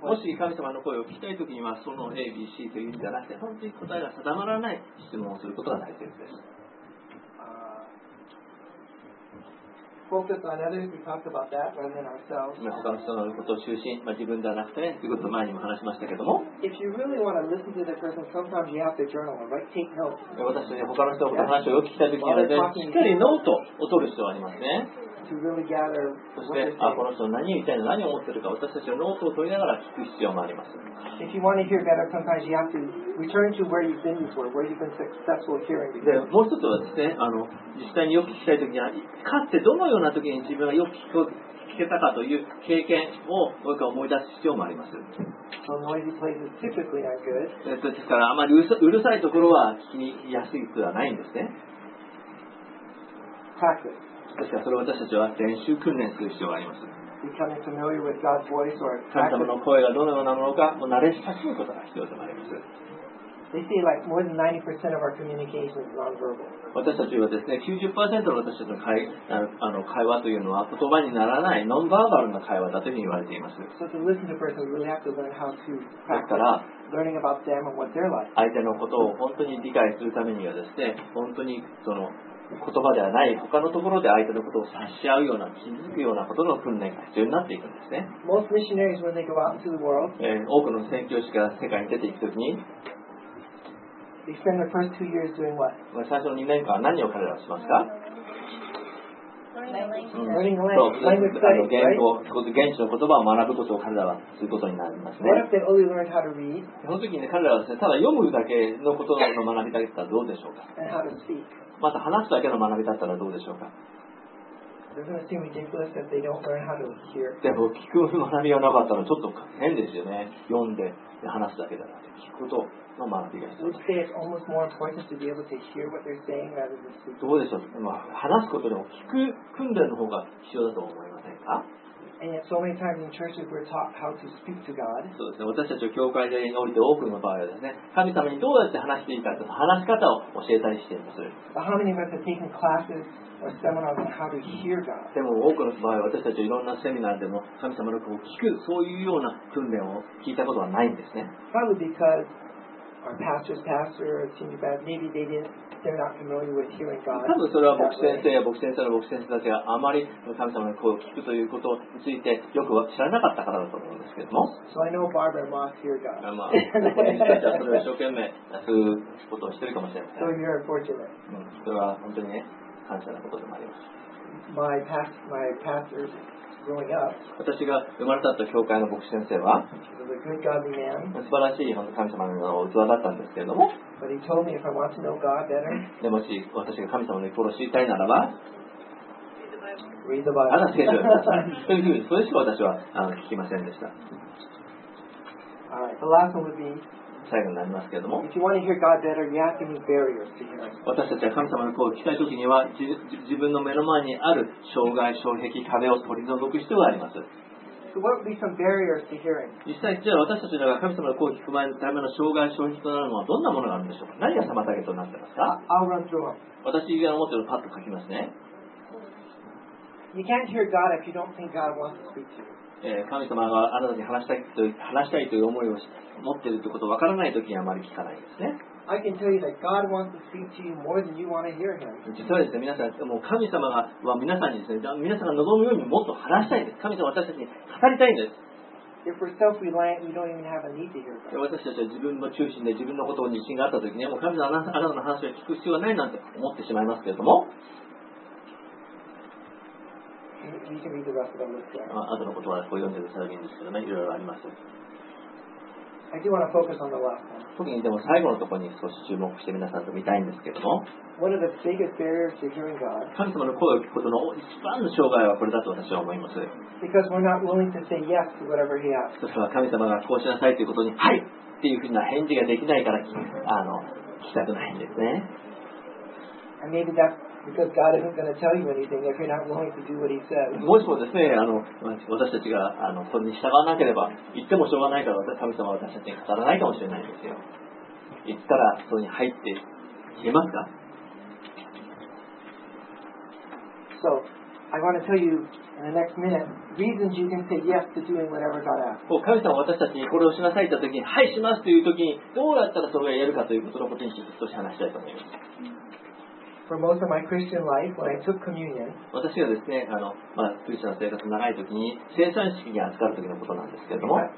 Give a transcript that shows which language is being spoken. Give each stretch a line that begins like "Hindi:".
Japanese: もし神様の声を聞きたいときには、その A、B、C という意味ではなくて、本当に答えが定まらない質問をすることが大切です。
English: Focus on others. We talked about that rather than ourselves.
Japanese: 他の人のことを中心、まあ、自分ではなくてということを前にも話しましたけども。
English: If you really want to listen to the person, sometimes you have to journal and write, take notes.
Japanese: 私ね、他の人のことを話を聞きたいときには、しっかりノートを取る必要がありますね。
English: To really gather
Japanese: この人は何を言いたいの、何を思っているか、私たちのノートを取りながら聞く必要もあります。
English: If you want to hear better, sometimes you have to return to where you've been before, where you've been successful hearing.
Japanese: で、もう一つはですね、実際によく聞きたいときには、かつてどのような時に自分がよく聞けたかという経験をもう一回思い出す必要もあります。
English: So noisy places typically aren't good.
Japanese: ですから、あまりうるさいところは聞きやすくはないんですね。
English: Practice.
Japanese: ですからそれを私たちは練習訓練する必要があります。
English: Becoming familiar with God's voice or practice.
Japanese: 神様の声がどのようなものかもう慣れ親しむことが必要でもあります。
English: They say like more than 90% of our communication is non-verbal.
Japanese: 私たちはですね、90% の私たちの会話というのは言葉にならないノンバーバルな会話だというふうに言われています。
English: So to listen to a person, we really have to learn how to practice.
Japanese: だから、
English: learning about them and what they're like.
Japanese: 相手のことを本当に理解するためにはですね、本当にその言葉ではない他のところで相手のことを察し合うような気づくようなことの訓練が必要になっていくんですね。
English: Most missionaries, when they go out into the world,
Japanese: 多くの宣教師が世界に出ていくときに
English: they spend the first 2 years doing what?
Japanese: 最初の2年間は何を彼らはしますか、
English: Learning language, right?
Japanese: 現地の言葉を学ぶことを彼らはすることになりますね。その時に、ね、彼らはです、ね、ただ読むだけのことの学びだったらどうでしょうか。また話すだけの学びだったらどうでしょうか。でも聞く学びがなかったらちょっと変ですよね。読んで話すだけだなって聞くことの学びが必要。どうでしょう、まあ、話すことでも聞く訓練の方が必要だと思いませんか。
English: So many times in churches we're taught how to speak to God.
Japanese: そうですね。私たちは教会でおいて多くの場合はですね、神様にどうやって話していいかという話し方を教えたりしています。
English: How many of us have taken classes or seminars on how to hear God?
Japanese: でも多くの場合は私たちはいろんなセミナーでも神様の声を聞くそういうような訓練を聞いたことはないんですね。
English: Probably because our pastor or senior pastor, maybe they didn't.
Japanese: 多分それは牧師先生や牧師先生の牧師先生たちがあまり神様の声を聞くということについてよく知らなかったからだと思うんですけども、
English: so、I know Barbara Moss here, God.
Japanese: まあ牧師たちはそれを一生懸命やすことをしているかもしれません、
English: so you're fortunate.
Japanese: それは本当に、ね、感謝なことでもあります。
English: my pastor growing up,
Japanese: 私が生まれた教会の牧師先生は
English: good,
Japanese: 素晴らしい神様の器だったんですけれども、
English: But he told me if I want to know God better,
Japanese: でもし私が神様の心を知りたいならば、
English: Read the Bible.
Japanese: あら、聖書を読みなさい。というふうに、それしか私は聞きませんでした。
English: The last one would be,
Japanese: 最後になりますけれども、
English: If you want to hear God better, you have to meet barriers to hear him.
Japanese: 私たちは神様の声を聞きたいときには、自分の目の前にある障害、障壁、壁を取り除く必要があります。
English: So、what would be some barriers to hearing?
Japanese: 実際じゃあ私たちが神様の声を聞く前のための障害障壁となるのはどんなものがあるんでしょうか。何が妨げとなってますか。
English: I'll run through them.
Japanese: 私が思っているパッと書きますね。
English: You can't hear God if you don't think God wants to speak to you.
Japanese: 神様があなたに話したいという思いを持っているということをわからないときにあまり聞かないですね。
English: I can tell you that God wants to speak to you more than you want to hear him.
Japanese: 実はですね、皆さん、もう神様は皆さんにですね、皆さんが望むようにもっと話したいんです。神様は私たちに語りたいんです。
English: If we're self-reliant, we don't even have a need to hear God.
Japanese: 私たちは自分の中心で自分のことに自信があったときに、もう神様はあなたの話を聞く必要はないなんて思ってしまいますけれども。
English: You can read the rest of the list there.
Japanese: あとのことはこう読んでいただけるんですけどね、いろいろあります。
English: I do want to focus on the last one.
Japanese: 特にでも最後のところに少し注目して皆さんと見たいんですけども、
English: One of the biggest barriers to hearing God.
Japanese: 神様の声を聞くことの一番の障害はこれだと私は思います。
English: Because we're not willing to say yes to whatever he asks.
Japanese: それは神様がこうしなさいということに、はいっていうふうな返事ができないから聞きたくないんですね。
English: And maybe that's because God isn't going to tell you anything if you're not willing to do what he says.
Japanese: もしもですね、私たちがそれに従わなければ、言ってもしょうがないから、神様は私たちに語らないかもしれないですよ。言ったら、それに入って言えますか？
English: So, I want to tell you in the next minute, reasons you can say yes to doing whatever God asks.
Japanese: 神様は私たちにこれをしなさいって時に、はい、しますという時に、どうやったらそれをやるかということのことについて少し話したいと思います。
English: For most of my Christian life, when I took communion,
Japanese: 私がですね、まあ、クリスチャンの生活長い時に、聖餐式に預かる時のことなんですけれども、